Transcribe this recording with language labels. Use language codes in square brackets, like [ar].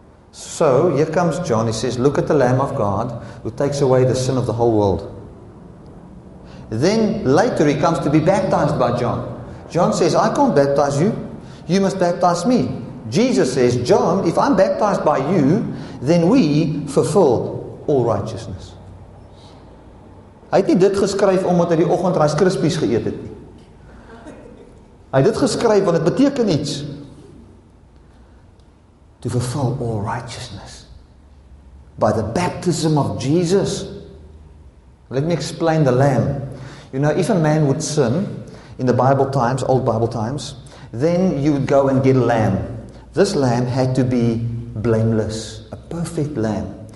[en] So here comes John. He says, "Look at the Lamb of God who takes away the sin of the whole world." Then later he comes to be baptized by John. John says, "I can't baptize you. You must baptize me." Jesus says, "John, if I'm baptized by you, then we fulfill all righteousness." [af] Hy het nie dit geskryf omdat hy die oggend Rice Krispies geëet het nie. Hy het dit geskryf want dit beteken iets. [en] To fulfill all righteousness by the baptism of Jesus. Let me explain the Lamb. You know, if a man would sin in the Bible times, old Bible times, then you would go and get a lamb. This lamb had to be blameless, a perfect lamb.